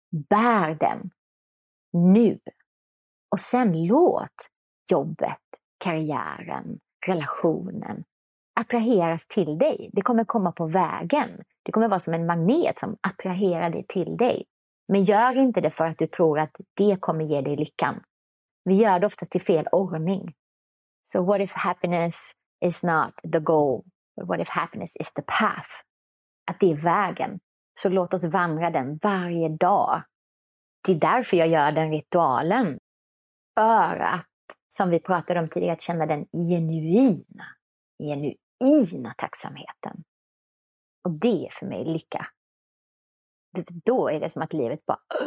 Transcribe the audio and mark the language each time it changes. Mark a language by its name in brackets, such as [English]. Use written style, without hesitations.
[Swedish] Bär den, nu. Och sen låt jobbet, karriären, relationen attraheras till dig. Det kommer komma på vägen. Det kommer vara som en magnet som attraherar dig till dig. Men gör inte det för att du tror att det kommer ge dig lyckan. Vi gör det oftast i fel ordning. [English] So what if happiness is not the goal? What if happiness is the path? [Swedish] Att det är vägen. Så låt oss vandra den varje dag. Det är därför jag gör den ritualen. För att, som vi pratade om tidigare, att känna den genuina tacksamheten. Och det är för mig lycka. Då är det som att livet bara...